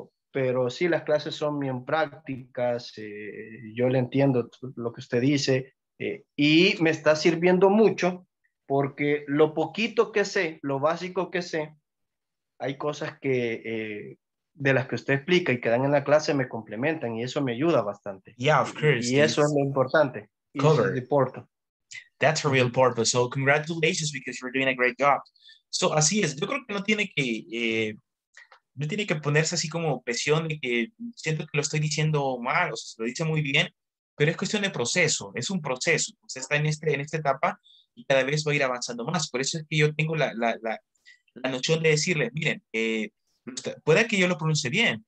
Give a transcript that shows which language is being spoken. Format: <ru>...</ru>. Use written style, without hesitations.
<es>Pero sí, las clases son bien prácticas, yo le entiendo lo que usted dice, y me está sirviendo mucho, porque lo poquito que sé, lo básico que sé, hay cosas que, de las que usted explica y que dan en la clase, me complementan, y eso me ayuda bastante.</es> <en>Yeah, of course.</en> <es>Y eso es lo importante.</es> <en>That's a real purpose. So congratulations, because you're doing a great job.</en> <es>So así es. Yo creo que no tiene que ponerse así como presión de que siento que lo estoy diciendo mal, o sea, se lo dice muy bien, pero es cuestión de proceso. Es un proceso. Usted está en esta etapa y cada vez va a ir avanzando más. Por eso es que yo tengo la noción de decirle, miren, puede que yo lo pronuncie bien.</es>